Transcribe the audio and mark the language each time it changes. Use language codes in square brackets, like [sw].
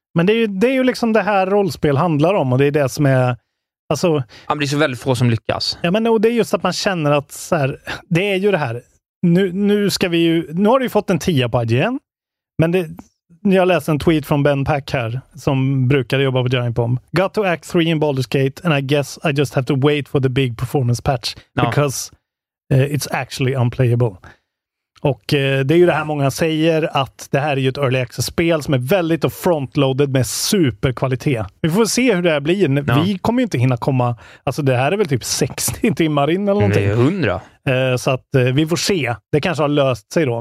[sv] Men det är ju liksom det här rollspel handlar om, och det är det som är. Alltså, ja, men det är så väldigt få som lyckas. Ja, men och det är just att man känner att så här, det är ju det här. Nu ska vi ju, nu har du ju fått en 10 på IGN. Men det, jag läste en tweet från Ben Pack här som brukar jobba på Giant Bomb. [en] Got to act 3 in Baldur's Gate and I guess I just have to wait for the big performance patch because it's actually unplayable. [sv] Och det är ju det här många säger, att det här är ju ett early access-spel som är väldigt frontloaded med superkvalitet. Vi får se hur det här blir. No. Vi kommer ju inte hinna komma... Alltså det här är väl typ 60 timmar in eller någonting. Det är 100. Så att vi får se. Det kanske har löst sig då.